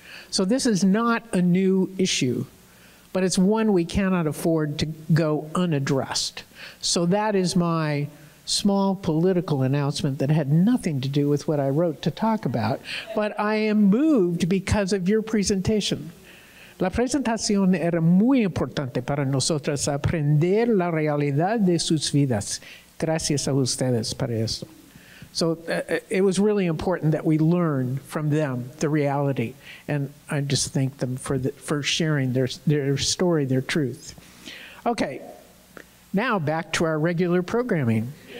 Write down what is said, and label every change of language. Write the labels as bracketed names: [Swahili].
[English] So this is not a new issue, but it's one we cannot afford to go unaddressed. So that is my small political announcement that had nothing to do with what I wrote to talk about, but I am moved because of your presentation. [Spanish] La presentación era muy importante para nosotras aprender la realidad de sus vidas. Gracias a ustedes para esto. [English] So it was really important that we learn from them the reality, and I just thank them for sharing their story, their truth. Okay, now back to our regular programming.